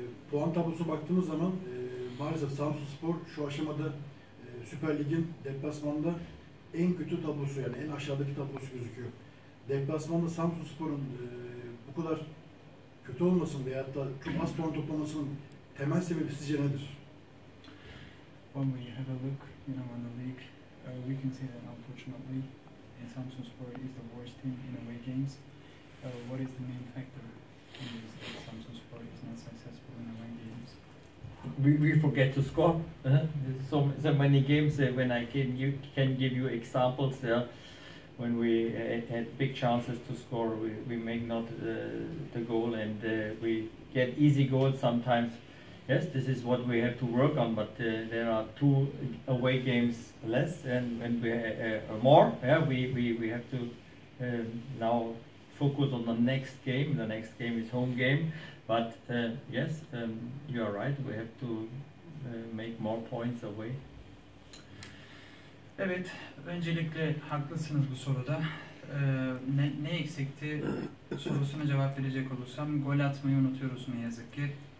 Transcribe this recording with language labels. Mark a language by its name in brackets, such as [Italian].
[Turkish] Puan tablosuna baktığımız zaman maalesef Samsunspor şu aşamada Süper Lig'in deplasmanda en kötü tablosu, yani en aşağıdaki tablosu gözüküyor. Deplasmanda Samsunspor'un bu kadar kötü olmasının veyahut da çok az puan toplamasının temel sebebi sizce nedir? [English] When we have a look, you know, on the league, we can see that unfortunately Samsunspor is the worst team in away games. What is the main factor in this that Samsunspor is not successful in away games? We forget to score. So many games when I can give you examples there, when we had big chances to score, we make not the goal, and we get easy goals sometimes. Yes, this is what we have to work on. But there are 2 away games less, and we more. Yeah, we have to now focus on the next game. The next game is home game. But yes, you are right. We have to make more points away. [Turkish] Evet, öncelikle haklısınız bu soruda. Ne eksikti sorusuna cevap verecek olursam, gol atmayı unutuyoruz ne yazık ki.